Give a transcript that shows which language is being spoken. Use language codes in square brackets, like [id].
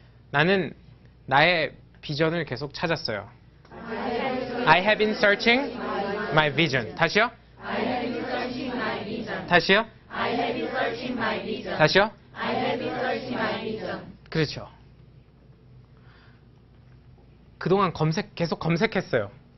[ko] 나는 나의 비전을 계속 찾았어요. [en] I have been searching my vision. [ko] 다시요. [en] I have been searching my vision. [ko] 다시요. [en] I have been searching my vision. [ko] 다시요. [en] I have been searching my vision. [ko] 그렇죠. 그동안 검색 계속 검색했어요.